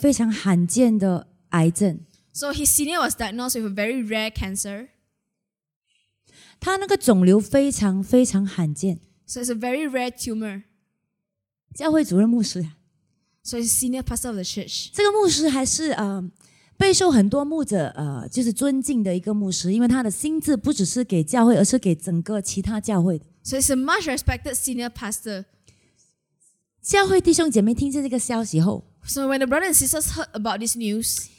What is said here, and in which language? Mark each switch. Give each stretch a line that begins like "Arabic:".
Chinese: 他的牧师呢是叫肖祥修牧师哦，对，他的牧师那时候被诊断患上了一个非常罕见的癌症。So
English: his senior was diagnosed with a very rare cancer.
Chinese: 他那个肿瘤非常罕见。So
English: it's a very rare tumor.
Chinese: 教会主任牧师。So
English: he's senior pastor of the church.
Chinese: 这个牧师还是 备受很多牧者就是尊敬的一个牧师，因为他的心智不只是给教会，而是给整个其他教会的。So
English: it's a much respected senior pastor.
Chinese: 教会弟兄姐妹听见这个消息后，
English: So when the brothers and sisters heard about this news,